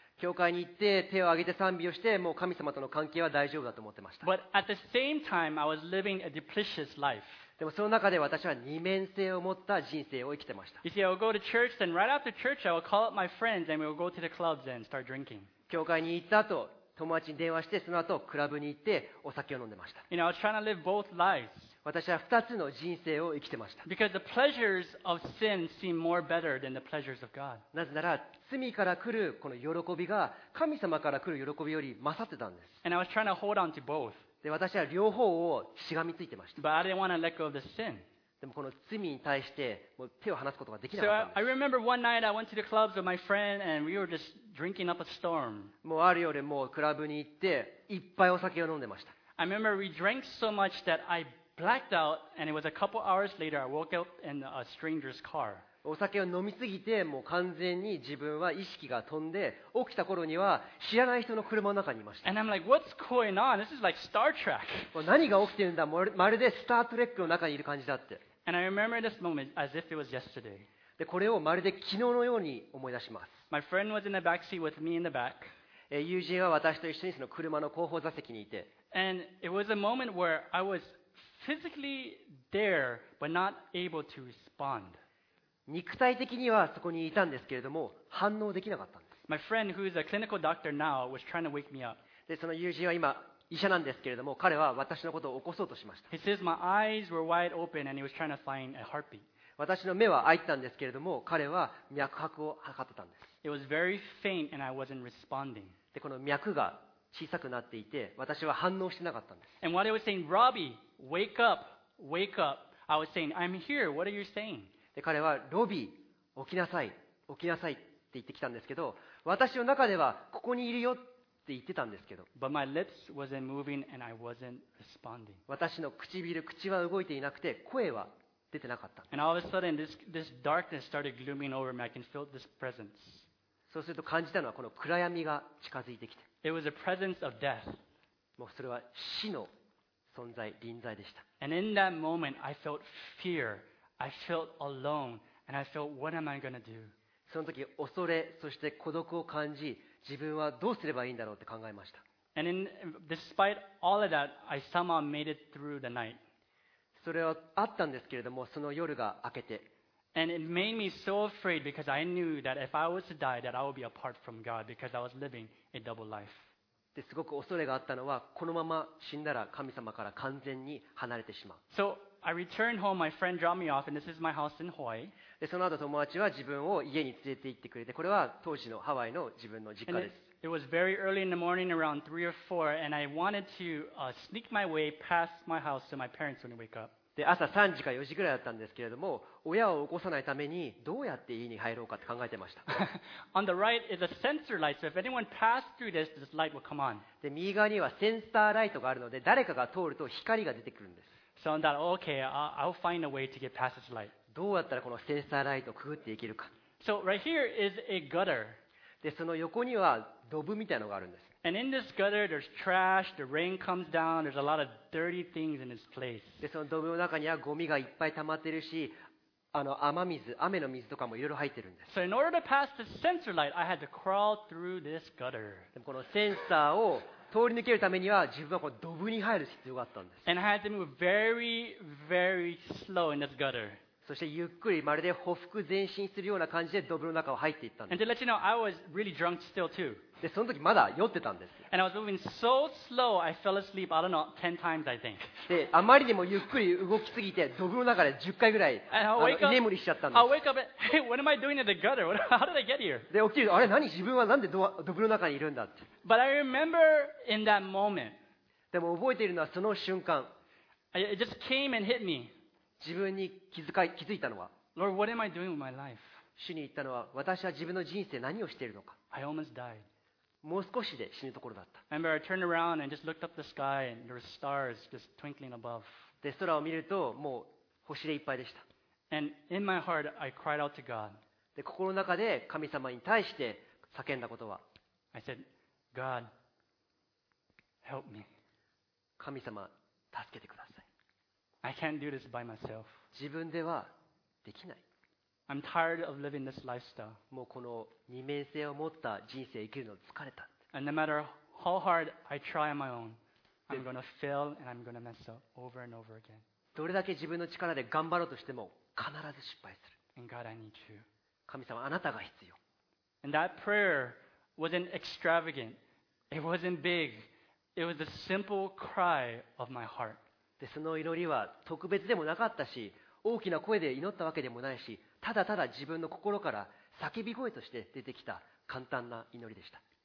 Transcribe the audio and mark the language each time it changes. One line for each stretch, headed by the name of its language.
Japanese: 教会に行って手を挙げて賛美をして、もう神様との関係は大丈夫だと思ってました。
English: But at the same time, I was living a duplicitous life.
Japanese: でもその中で私は二面性を持った人生を生きてました。
English: You see, I'll go to church, then right after church, I will call up my friends, and we'll go to the clubs and start drinking.
Japanese: 教会に行った後、友達に電話して、その後クラブに行ってお酒を飲んでました。
English: you know, I was trying to live both lives.
Japanese: 私は二つの人生を生きてました。
English: Because the pleasures of sin seem more better than the pleasures of God.
Japanese: なぜなら罪から来るこの喜びが神様から来る喜びより勝ってたんです。
English: And I was trying to hold on to both.
Japanese: で私は両方をしがみついてました。
English: But I didn't want to let go of the sin.
Japanese: でもこの罪に対してもう手を離すことができなかったんです。
English: So I remember one night I went to the clubs with my friend and we were just drinking up a storm.
Japanese: もうある夜もうクラブに行っていっぱいお酒を飲んでました。
English: I remember we drank so much that I blacked out and it was a couple hours later I woke up in a stranger's car.
Japanese: お酒を飲みすぎてもう完全に自分は意識が飛んで起きた頃には知らない人の車の中にいました。
English: And I'm like, what's going on? This is like Star Trek.
Japanese: 何が起きてるんだ、まるでスタートレックの中にいる感じだって。
English: And I remember this moment as if it was yesterday.
Japanese: で、これをまるで昨日のように思い出します。
English: My friend was in the back seat with me in the back.
Japanese: 友人は私と一緒にその車の後方座席にいて。
English: And it was a moment where I was physically there, but not able to respond.
Japanese: 肉体的にはそこにいたんですけれども、反応できなかったんです。
English: My friend, who is a clinical doctor now, was trying to wake me up.
Japanese: で、その友人は今、医者なんですけれども、彼は私のことを起こそうとしました。
English: He says my eyes were wide open and he was trying to find a heartbeat.
Japanese: 私の目は開いてたんですけれども、彼は脈拍を測ってたんです。
English: It was very faint and I wasn't responding.
Japanese: で、この脈が小さくなっていて、私は反応してなかったんです。
English: And while I was saying, Robbie, wake up, wake up, I was saying, I'm here, what are you saying?
Japanese: で彼はロビー、起きなさい、起きなさいって言ってきたんですけど、私の中ではここにいるよって言ってたんですけど、
English: But my lips wasn't moving and I wasn't responding.
Japanese: 私の唇、口は動いていなくて、声は出てなかった。
English: And all of a sudden, this darkness started glooming over me. I can feel this presence.
Japanese: そうすると感じたのはこの暗闇が近づいてきて、
English: It was a presence of death.
Japanese: もうそれは死の存在、臨在でした。
English: And in that moment, I felt fear. I felt alone, and I felt, what am I going to do?
Japanese: その時、恐れ、そして孤独を感じ、自分はどうすればいいんだろうって考えました。
English: And in, despite all of that, I somehow made it through the night.
Japanese: それはあったんですけれども、その夜が明けて。
English: And it made me so afraid because I knew that if I was to die, that I would be apart from God because I was living a double life.
Japanese: ですごく恐れがあったのは、このまま死んだら神様から完全に離れてしまう。
English: So I returned home. My friend dropped me off, and this is my house in Hawaii.
Japanese: でその後友達は自分を家に連れて行ってくれて、これは当時のハワイの自分の実家です。
English: It was very early in the morning, around 3 or 4, and I wanted to sneak my way past my house so my parents wouldn't wake up.
Japanese: で朝3時か4時ぐらいだったんですけれども、親を起こさないためにどうやって家に入ろうかって考えてました。
English: On the right is a sensor light, so if anyone passed through this, this light will come on.
Japanese: で右側にはセンサーライトがあるので、誰かが通ると光が出てくるんです。
English: So I thought, okay, I'll find a way to get past this light.
Japanese: どうやったらこのセンサーライトをくぐっていけるか。
English: So right here is a gutter.
Japanese: でその横にはドブみたいなのがあるんです。
English: And in this gutter, there's trash. The rain comes down. There's a lot of dirty things in this place.
Japanese: でそのドブの中にはゴミがいっぱい溜まってるし、雨水、雨の水とかもいろいろ入ってるんです。
English: So in order to pass the sensor light, I had to crawl through this gutter.
Japanese: でもこのセンサーを通り抜けるためには自分はこのドブに入る必要があったんです。
English: And I had to move very, very slow in this gutter.
Japanese: そしてゆっくりまるでほふく前進するような感じでドブの中を入っていったんです。
English: And to let you know, I was really drunk still too.
Japanese: で、その時まだ酔ってたんです。
English: And I was moving so slow, I fell asleep, I don't know, 10 times I think.
Japanese: で、あまりにもゆっくり動きすぎて、ドブの中で10回ぐらい居眠りしちゃったんです。
English: I'll wake up and, hey, what am I doing in the gutter? How did I get here?
Japanese: で、起きると、あれ何自分はなんでドブの中にいるんだって。
English: But I remember in that moment.
Japanese: でも覚えているのはその瞬間。
English: It just came and hit me.
Japanese: 自分に気づいたのは、
English: Lord, what am I doing with my life?
Japanese: 主に言ったのは、私は自分の人生何をしているのか。
English: I almost died.
Japanese: もう少しで死ぬところだった。
English: I remember I turned around and just looked up the sky and there were stars just twinkling above.
Japanese: で、空を見ると、もう星でいっぱいでした。
English: And in my heart, I cried out to God.
Japanese: で、心の中で神様に対して叫んだことは、
English: I said, God, help me.
Japanese: 神様、助けてください。
English: I can't do this by myself.
Japanese: 自分ではできない。
English: I'm tired of living this lifestyle.
Japanese: もうこの二面性を持った人生生きるの疲れた。
English: And no matter how hard I try on my own, I'm gonna fail and I'm gonna mess up over and over again.
Japanese: どれだけ自分の力で頑張ろうとしても必ず失敗する。
English: And God, I need you.
Japanese: 神様、あなたが必要。
English: And that prayer wasn't extravagant. It wasn't big. It was a simple cry of my heart.
Japanese: でその祈りは特別でもなかったし、大きな声で祈ったわけでもないし、ただただ自分の心から叫び声として出てきた簡単な祈りでした。